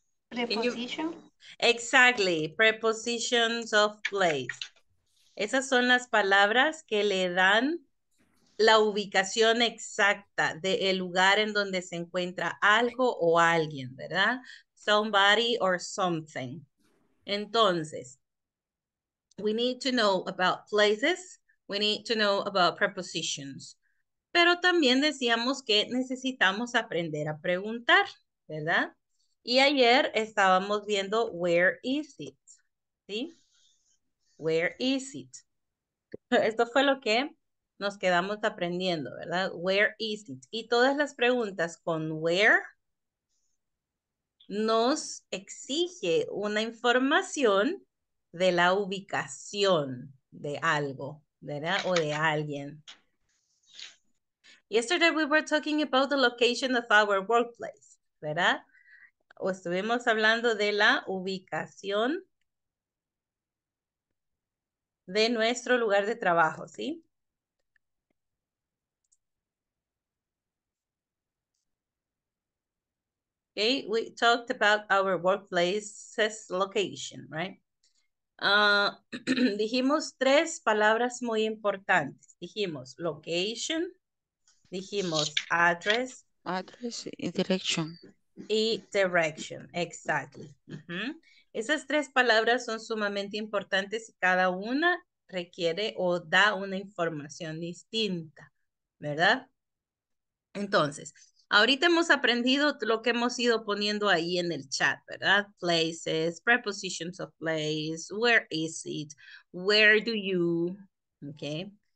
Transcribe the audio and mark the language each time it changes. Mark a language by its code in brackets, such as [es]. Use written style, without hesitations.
[en] Preposition. Exactly. Prepositions of place. [es] Esas son las palabras que le dan la ubicación exacta del lugar en donde se encuentra algo o alguien, ¿verdad? [en] Somebody or something. Entonces, we need to know about places, we need to know about prepositions. [es] Pero también decíamos que necesitamos aprender a preguntar, ¿verdad? [en] Y ayer estábamos viendo where is it, ¿sí? Where is it? [es] Esto fue lo que nos quedamos aprendiendo, ¿verdad? Where is it? Y todas las preguntas con where nos exige una información de la ubicación de algo, ¿verdad? O de alguien. [en] Yesterday we were talking about the location of our workplace, ¿verdad? [es] O estuvimos hablando de la ubicación de nuestro lugar de trabajo, ¿sí? [en] Okay, we talked about our workplace's location, right? [es] dijimos tres palabras muy importantes. Dijimos location, dijimos address. [en] Address y direction. Y direction, exactly. Mm-hmm. [es] Esas tres palabras son sumamente importantes y cada una requiere o da una información distinta, ¿verdad? Entonces, ahorita hemos aprendido lo que hemos ido poniendo ahí en el chat, ¿verdad? [en] Places, prepositions of place, where is it, where do you, okay?